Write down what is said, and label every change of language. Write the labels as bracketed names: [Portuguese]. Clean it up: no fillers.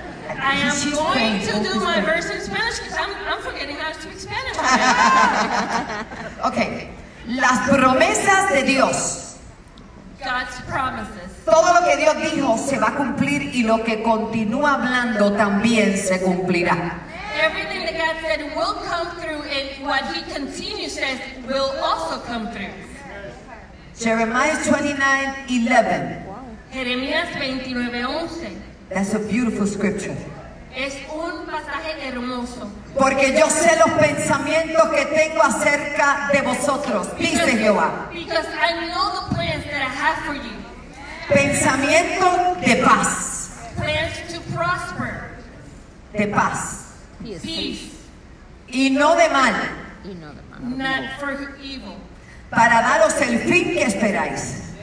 [English] I am going to do my best in Spanish because I'm forgetting how to speak Spanish. [Spanish] Okay. Las promesas de Dios. [English] God's promises. [Spanish] Todo lo que Dios dijo se va a cumplir y lo que continúa hablando también se cumplirá. [English] Everything that God said will come through, and what He continues says will also come through. Jeremiah 29:11. Jeremiah 29:11. That's a beautiful scripture. [Spanish] Es un pasaje hermoso. Porque yo sé los pensamientos que tengo acerca de vosotros, dice Jehová. [English] Because I know the plans that I have for you. [Spanish] Pensamientos de paz. [English] Plans to prosper. [Spanish] De paz. [English] Peace. [Spanish] Y no de mal. [English] Not for evil. [Spanish] Para daros el fin que esperáis.